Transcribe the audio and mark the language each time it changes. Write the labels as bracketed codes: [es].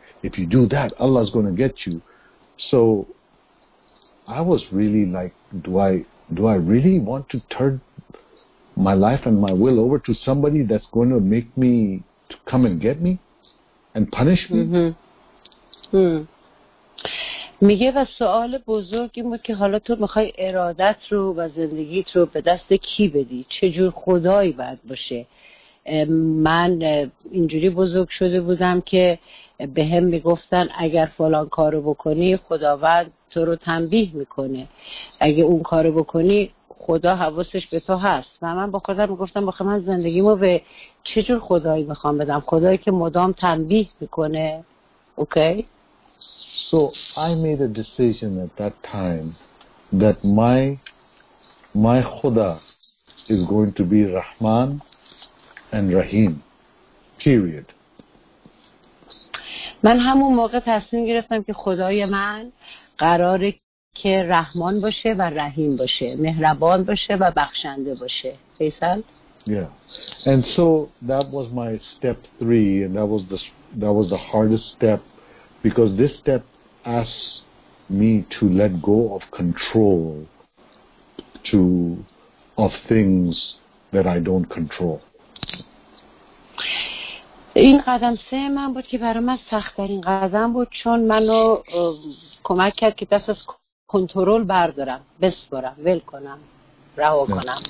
[en] If you do that, Allah is going to get you. So I was really like, do I really want to turn my life and my will over to somebody that's going to make me to come and get me and punish me? Mm-hmm. [fa] میگه و سوال بزرگ این بود که حالا تو میخوای ارادت رو و زندگیت رو به دست کی بدی؟ چجور خدایی باید باشه؟ من اینجوری بزرگ شده بودم که به هم میگفتن اگر فلان کارو بکنی خداوند تو رو تنبیه میکنه، اگه اون کارو بکنی خدا حواسش به تو هست، و من با خودم میگفتم بخواه من زندگیمو به چجور خدایی میخوام بدم؟ خدایی که مدام تنبیه میکنه. اوکی؟ [en] So I made a decision at that time that my Khuda is going to be Rahman and Rahim, period. [fa] من همون موقع تصمیم گرفتم که خدای من قراره که رحمان باشه و رحیم باشه، مهربان باشه و بخشنده باشه. فیصل؟ [en] Yeah. And so that was my step three, and that was the hardest step, because this step asks me to let go of control of things that I don't control. [fa] این قدم سه من بود که برای من سخت‌ترین قدم بود، چون منو کمک کرد که دست از کنترل بردارم، بسپارم، ول کنم، رها کنم.